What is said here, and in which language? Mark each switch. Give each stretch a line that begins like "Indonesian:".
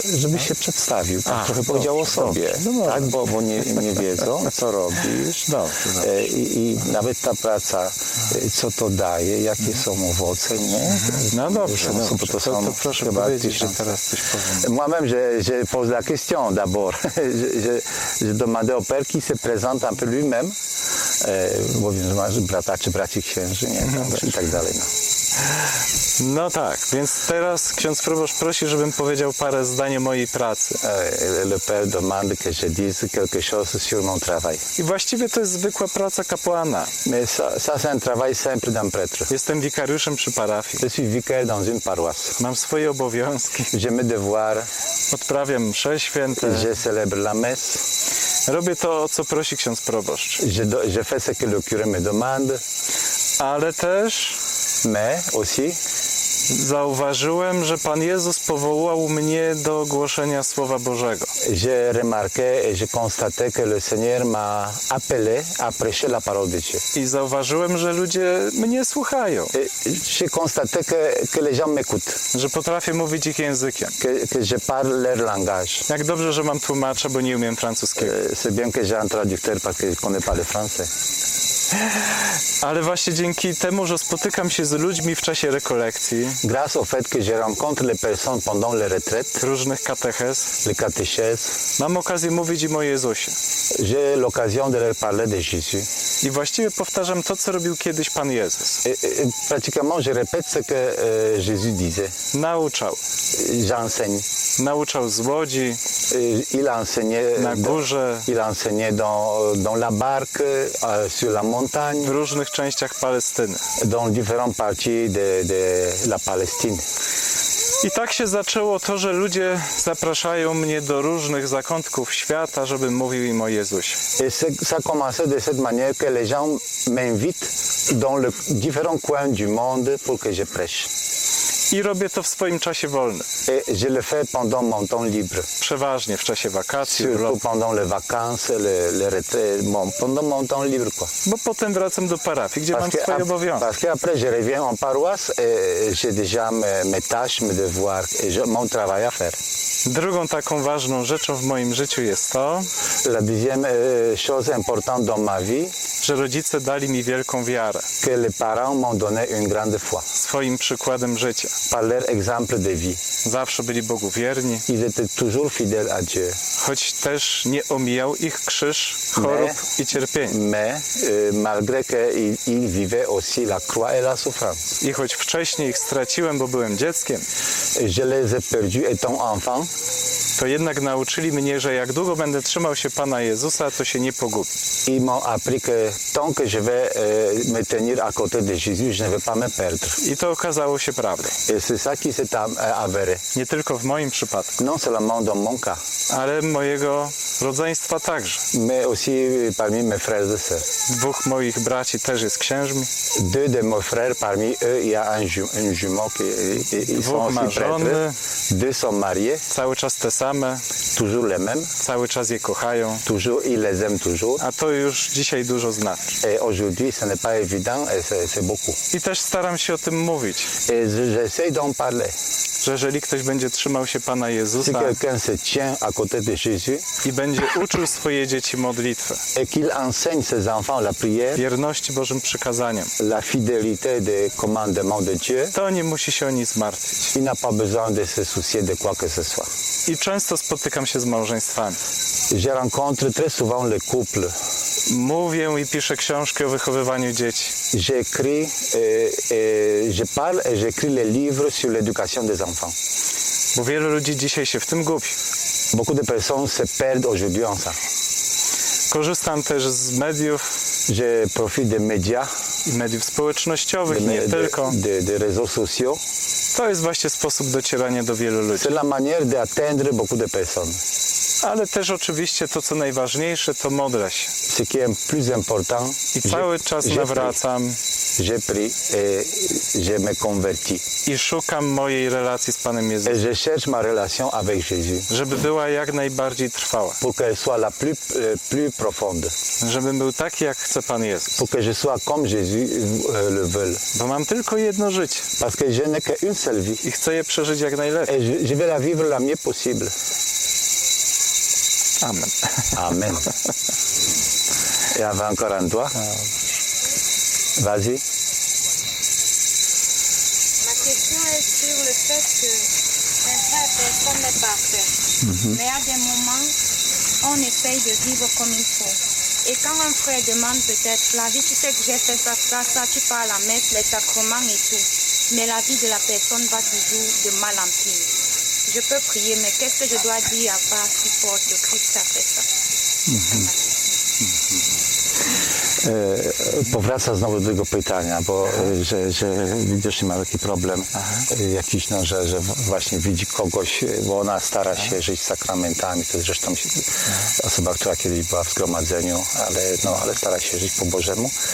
Polish: Żebyś się przedstawił, tak? Trochę powiedział o sobie, no tak, bo nie wiedzą, co robisz. Dobrze. I nawet ta praca, co to daje, jakie są owoce, nie? No dobrze, no dobrze. To proszę powiedzieć, że teraz coś powiem.
French: Moi-même, j'ai posé la question d'abord. J'ai demandé au père qui se présente un peu lui-même.
Polish: Bo wiem, że masz brata czy braci księży, nie? I tak dalej, no. No tak, więc teraz ksiądz proboszcz prosi, żebym powiedział parę zdań o mojej pracy.
French: Le père demande que je dise quelque chose sur mon travail.
Polish: I właściwie to jest zwykła praca kapłana.
French: Mais ça c'est un travail simple d'un prêtre.
Polish: Jestem wikariuszem przy parafii.
French: Je suis vicaire dans une paroisse.
Polish: Mam swoje obowiązki.
French: J'ai mes devoirs.
Polish: Odprawiam msze święte.
French: Je célèbre la messe.
Polish: Robię to, o co prosi ksiądz proboszcz.
French: Je fais ce que le curé me demande.
Polish: Ale też...
French: Mais aussi.
Polish: Zauważyłem, że Pan Jezus powołał mnie do głoszenia Słowa Bożego.
French: J'ai remarqué et j'ai constaté que le Seigneur m'a appelé à prêcher la parole de Dieu.
Polish: I zauważyłem, że ludzie mnie słuchają.
French: J'ai constaté que les gens m'écoutent.
Polish: Że potrafię mówić ich językiem.
French: Que je parle leur langage.
Polish: Jak dobrze, że mam tłumacza, bo nie umiem francuskiego.
French: C'est bien que j'ai un traducteur parce que je connais pas le français.
Polish: Ale właśnie dzięki temu, że spotykam się z ludźmi w czasie rekolekcji.
French: Grâce au fait que j'ai rencontré les personnes pendant les retraites.
Polish: Różnych kateches.
French: Les catéchèses.
Polish: Mam okazję mówić im o Jezusie.
French: J'ai l'occasion de leur parler de Jésus.
Polish: I właściwie powtarzam to, co robił kiedyś Pan Jezus.
French: Pratiquement, je répète ce que Jésus disait.
Polish: Nauczał.
French: J'enseigne.
Polish: Nauczał z łodzi.
French: Il enseignait
Polish: na górze.
French: Il enseignait dans la barque, sur la montagne.
Polish: W różnych częściach Palestyny.
French: Dans différentes parties de la Palestine.
Polish: I tak się zaczęło to, że ludzie zapraszają mnie do różnych zakątków świata, żebym mówił im o Jezusie.
French: Et ça commençait de cette manière que les gens m'invitent dans les différents coins du monde pour que je prêche.
Polish: I robię to w swoim czasie wolnym.
French: Et je le fais pendant mon temps libre.
Polish: Przeważnie w czasie wakacji.
French: Surtout pendant les vacances, les retraites, pendant mon temps libre, quoi.
Polish: Bo potem wracam do parafii, gdzie
French: parce
Polish: mam swoje obowiązki.
French: Parce que après je reviens en paroisse et j'ai déjà mes tâches, mes devoirs, et mon travail à faire.
Polish: Drugą taką ważną rzeczą w moim życiu jest to,
French: la deuxième chose importante dans ma vie,
Polish: że rodzice dali mi wielką wiarę.
French: Que les parents m'ont donné une grande foi.
Polish: Swoim przykładem życia.
French: Par leur exemple de vie.
Polish: Zawsze byli Bogu wierni.
French: Ils étaient toujours fidèles à Dieu.
Polish: Choć też nie omijał ich krzyż chorób i cierpień.
French: Mais malgré que ils vivaient aussi la croix et la souffrance.
Polish: I choć wcześniej ich straciłem, bo byłem dzieckiem,
French: je les ai perdus étant enfant.
Polish: To jednak nauczyli mnie, że jak długo będę trzymał się Pana Jezusa, to się nie pogubię.
French: I m'ont appris que tant que je vais me tenir à côté de Jésus, je ne vais pas me perdre.
Polish: I to okazało się prawdą.
French: Et c'est ça qui s'est avéré.
Polish: Nie tylko w moim przypadku.
French: Non seulement dans mon cas.
Polish: Ale mojego rodzeństwa także.
French: Mais aussi parmi mes frères et sœurs.
Polish: Dwóch moich braci też jest księżmi.
French: Deux de mes frères parmi eux, il y a un jumeau qui ils sont aussi prêtres. Deux sont mariés.
Polish: Cały czas te same.
French: Toujours les mêmes.
Polish: Cały czas je kochają.
French: Toujours, ils les aiment toujours.
Polish: A to już dzisiaj dużo znaczy.
French: Et aujourd'hui, ce n'est pas évident, et c'est beaucoup.
Polish: I też staram się o tym mówić.
French: Et j'essaie d'en parler.
Polish: Że jeżeli ktoś będzie trzymał się Pana Jezusa,
French: si quelqu'un se tient à côté de Jésus,
Polish: i będzie uczył swoje dzieci modlitwy,
French: et qu'il enseigne ses enfants la prière,
Polish: wierności Bożym przykazaniom,
French: la fidélité des commandements de Dieu,
Polish: to nie musi się o nic martwić.
French: Il n'a pas besoin de se soucier de quoi que ce soit.
Polish: I często spotykam się z małżeństwami.
French: Je rencontre très souvent les couples.
Polish: Mówię i piszę książkę o wychowywaniu dzieci.
French: J'écris, je parle et j'écris les livres sur l'éducation des enfants.
Polish: Bo wielu ludzi dzisiaj się w tym gubi.
French: Beaucoup de personnes se perdent aujourd'hui en ça.
Polish: Korzystam też z mediów.
French: Je profite des médias.
Polish: I mediów społecznościowych, nie tylko.
French: De réseaux sociaux.
Polish: To jest właśnie sposób docierania do wielu ludzi.
French: C'est la manière d'atteindre beaucoup de personnes.
Polish: Ale też oczywiście to, co najważniejsze, to modlę się.
French: Ce qui est plus important,
Polish: i cały czas nawracam.
French: J'ai pris et je me convertis.
Polish: I szukam mojej relacji z Panem Jezusem.
French: Je cherche ma relation avec Jésus.
Polish: Żeby była jak najbardziej trwała.
French: Pour qu'elle soit la plus profonde.
Polish: Żebym był taki, jak chce Pan Jezus.
French: Pour que je sois comme Jésus le veut.
Polish: Bo mam tylko jedno życie.
French: Parce que je n'ai qu'une seule vie.
Polish: I chcę je przeżyć jak najlepiej.
French: Et je vais la vivre la mieux possible.
Polish: Amen.
French: Amen. Et avant encore un doigt. Vas-y. Ma question est sur le fait que certaines personnes n'est pas parfaite. Mm-hmm. Mais à des moments, on essaye de vivre comme il faut. Et quand un frère demande peut-être la vie, tu sais que j'ai fait ça, tu parles à la messe, les sacrements et tout. Mais la vie de la personne va toujours de mal en pire. Je peux prier, mais qu'est-ce que je dois dire à part qui porte le Christ après ça? Mm-hmm.
Polish: Powraca znowu do tego pytania, bo że widocznie ma taki problem. Aha. Jakiś, no, że właśnie widzi kogoś, bo ona stara się żyć sakramentami, to jest zresztą osoba, która kiedyś była w zgromadzeniu, ale stara się żyć po Bożemu.